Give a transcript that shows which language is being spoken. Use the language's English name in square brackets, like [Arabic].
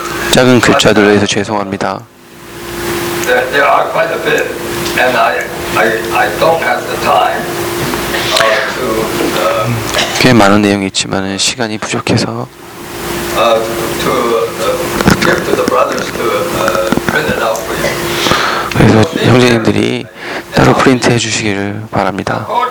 [Korean] 작은 글자들 위해서 죄송합니다. [English] There are quite a bit, and I don't have the time to. [Korean] 꽤 많은 내용이 있지만 시간이 부족해서. [English] To give to the brothers to print it out for you. [Korean] 그래서 형제님들이 따로 프린트해 주시기를 바랍니다.